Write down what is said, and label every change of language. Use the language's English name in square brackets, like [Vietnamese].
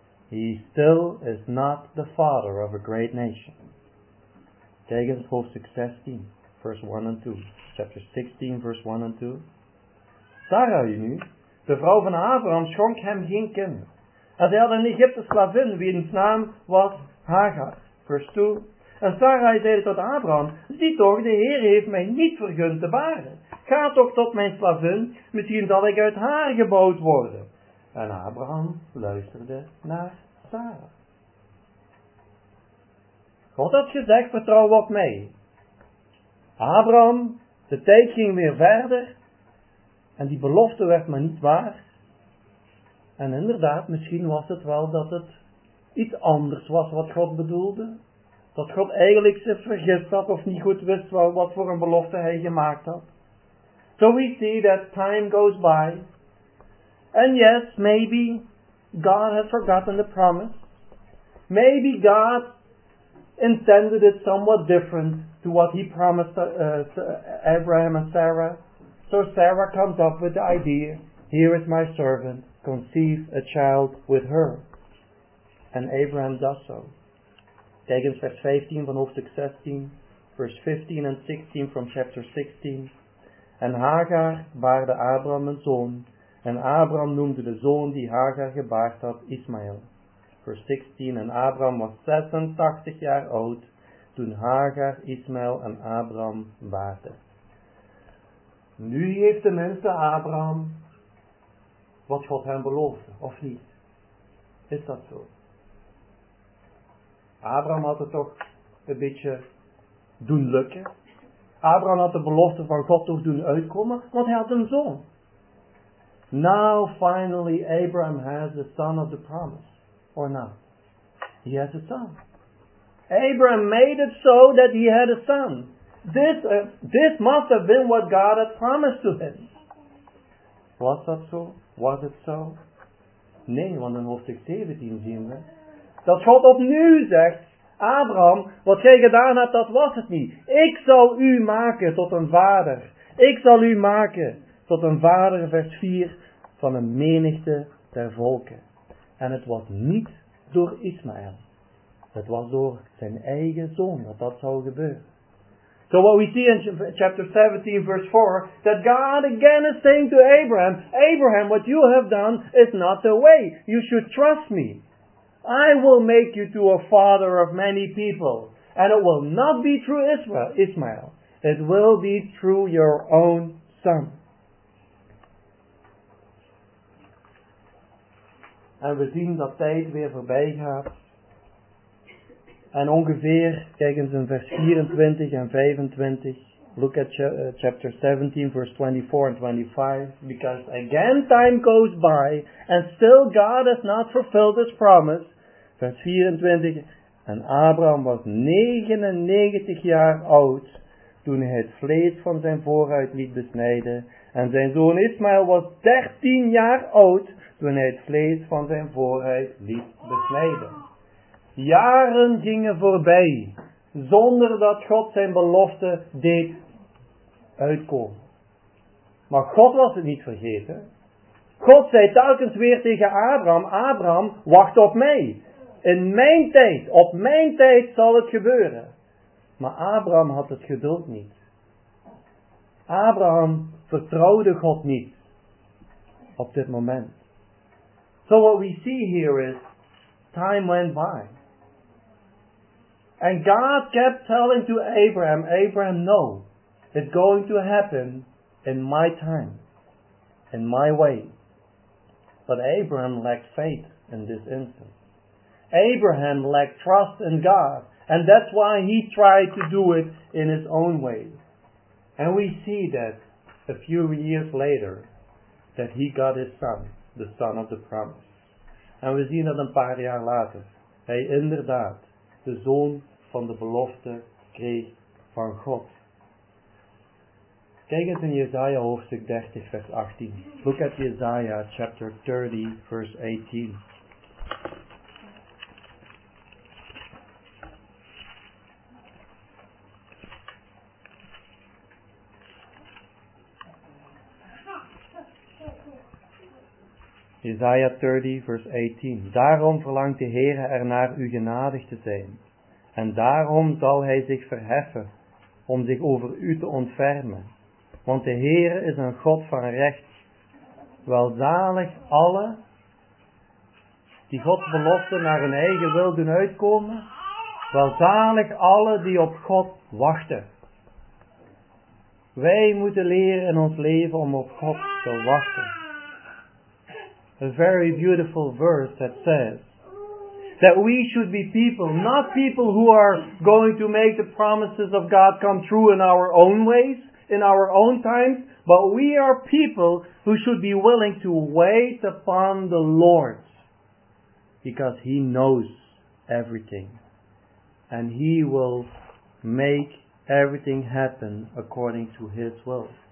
[English] He still is not the father of a great nation. [Dutch] Kijk eens op hoofdstuk 16, vers 1 en 2. Chapter 16, vers 1 en 2. Sarai nu, de vrouw van Abraham, schonk hem geen kind. En zij had een Egyptische slavin, wiens naam was Hagar. Vers 2. En Sarai zei tot Abraham, zie toch, de Heer heeft mij niet vergund te baren. Ga toch tot mijn slavin, misschien zal ik uit haar gebouwd worden. En Abraham luisterde naar Sarah. God had gezegd, vertrouw op mij. Abraham, de tijd ging weer verder. En die belofte werd maar niet waar. En inderdaad, misschien was het wel dat het iets anders was wat God bedoelde. Dat God eigenlijk ze vergist had of niet goed wist wat voor een belofte hij gemaakt had. [English] So we see that time goes by. And yes, maybe God had forgotten the promise. Maybe God intended it somewhat different to what he promised to Abraham and Sarah. So Sarah comes up with the idea, here is my servant, conceive a child with her. And Abraham does so. [Dutch] Kijk eens vers 15 van hoofdstuk 16, vers 15 en 16 [English] from chapter 16. [Dutch] En Hagar baarde Abraham een zoon, en Abraham noemde de zoon die Hagar gebaard had Ismaël. Vers 16, en Abraham was 86 jaar oud, toen Hagar, Ismaël en Abraham baarden. Nu heeft de mensen Abraham wat God hem beloofde, of niet? Is dat zo? Abraham had het toch een beetje doen lukken. Abraham had de belofte van God toch doen uitkomen, want hij had een zoon. [English] Now, finally, Abraham has the son of the promise. Or not? He has a son. Abraham made it so that he had a son. This must have been what God had promised to him. [Dutch] Was dat zo? Was het zo? Nee, want in hoofdstuk 17 zien we dat God opnieuw zegt, Abraham, wat jij gedaan hebt, dat was het niet. Ik zal u maken tot een vader. Ik zal u maken tot een vader, vers 4, van een menigte der volken. En het was niet door Ismaël. Het was door zijn eigen zoon dat dat zou gebeuren. [English] So what we see in chapter 17, verse 4, that God again is saying to Abraham, Abraham, what you have done is not the way. You should trust me. I will make you to a father of many people. And it will not be through Ismael. It will be through your own son. [Dutch] En we zien dat tijd weer voorbij gaat. En ongeveer, kijk eens in vers 24 en 25. [English] Look at chapter 17, verse 24 and 25. Because again time goes by. And still God has not fulfilled his promise. [Dutch] Vers 24, en Abraham was 99 jaar oud, toen hij het vlees van zijn vooruit liet besnijden. En zijn zoon Ismaël was 13 jaar oud, toen hij het vlees van zijn vooruit liet besnijden. Jaren gingen voorbij zonder dat God zijn belofte deed uitkomen. Maar God was het niet vergeten. God zei telkens weer tegen Abraham: Abraham, wacht op mij. In mijn tijd, op mijn tijd zal het gebeuren. Maar Abraham had het geduld niet. Abraham vertrouwde God niet op dit moment. [English] So what we see here is, time went by. And God kept telling to Abraham, Abraham, no, it's going to happen in my time, in my way. But Abraham lacked faith in this instance. Abraham lacked trust in God, and that's why he tried to do it in his own way. And we see that a few years later, that he got his son, the son of the promise. And we see that [Dutch] een paar jaar later, hij inderdaad de zoon van de belofte kreeg van God. Kijk eens in Jesaja hoofdstuk 30 vers 18. [English] Look at Jesaja chapter 30 verse 18. [Dutch] Jesaja 30, vers 18. Daarom verlangt de Heere ernaar u genadig te zijn. En daarom zal hij zich verheffen om zich over u te ontfermen. Want de Heere is een God van recht. Welzalig alle die Gods belofte naar hun eigen wil doen uitkomen. Welzalig alle die op God wachten. Wij moeten leren in ons leven om op God te wachten. [English] A very beautiful verse that says that we should be people, not people who are going to make the promises of God come true in our own ways, in our own times, but we are people who should be willing to wait upon the Lord because He knows everything and He will make everything happen according to His will.